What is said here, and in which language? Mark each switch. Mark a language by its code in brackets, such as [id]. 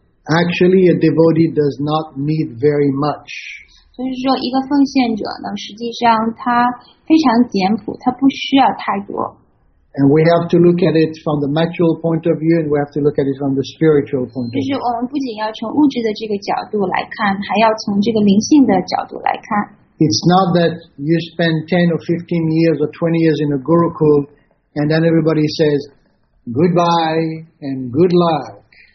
[en] Actually, a devotee does not need very much. [zh] 就是说一个奉献者呢,实际上他非常简朴,他不需要太多。 [en] And we have to look at it from the material point of view, and we have to look at it from the spiritual point of view. [zh] 就是我们不仅要从物质的这个角度来看,还要从这个灵性的角度来看。 [en] It's not that you spend 10 or 15 years or 20 years in a gurukul, and then everybody says, goodbye and good luck.